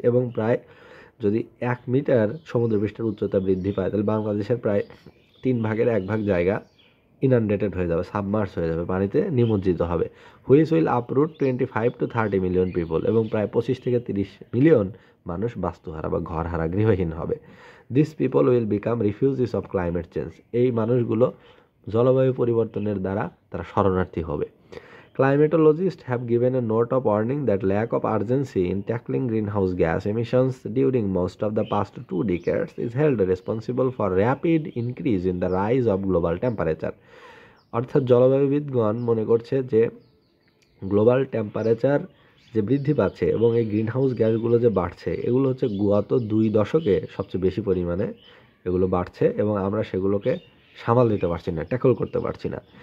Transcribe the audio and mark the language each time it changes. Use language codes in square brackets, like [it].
[bn] এবং প্রায় যদি 1 মিটার সমুদ্রপৃষ্ঠের উচ্চতা বৃদ্ধি পায় তাহলে বাংলাদেশের প্রায় 1/3 জায়গা ইনানডেটেড হয়ে যাবে, সাবমার্স হয়ে যাবে, পানিতে নিমজ্জিত হবে। [en] which will uproot 25-30 million people, [bn] এবং প্রায় 25-30 মিলিয়ন মানুষ বাস্তুহারা বা ঘরহারা, গৃহহীন হবে। [en] This people will become refugees of climate change. [bn] এই মানুষগুলো জলবায়ু পরিবর্তনের দ্বারা তারা শরণার্থী হবে। [en] Climatologists have given a note of warning that lack of urgency in tackling greenhouse gas emissions during most of the past 2 decades is held responsible for rapid increase in the rise of global temperature. [bn] অর্থাৎ জলবায়ুবিদগণ মনে করছে যে global temperature যে বৃদ্ধি পাচ্ছে এবং এই greenhouse গ্যাসগুলো যে বাড়ছে, এগুলো হচ্ছে গত 2 দশকে সবচেয়ে বেশি পরিমাণে এগুলো বাড়ছে এবং আমরা সেগুলোকে সামাল দিতে পারছি না, ট্যাকল করতে পারছি না।